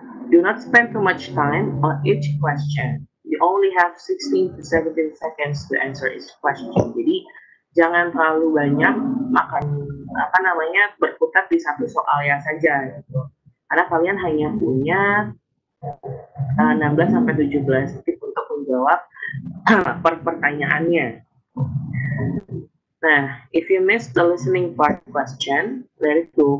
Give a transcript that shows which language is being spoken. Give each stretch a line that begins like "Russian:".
English: Do not spend too much time on each question. You only have 16 to 17 seconds to answer each question.
Indonesian: Jadi jangan terlalu banyak makan apa namanya berputar di satu soal ya saja gitu. Karena kalian hanya punya 16 sampai 17 detik untuk menjawab pertanyaannya.
English: Nah, if you miss the listening part question, let it go.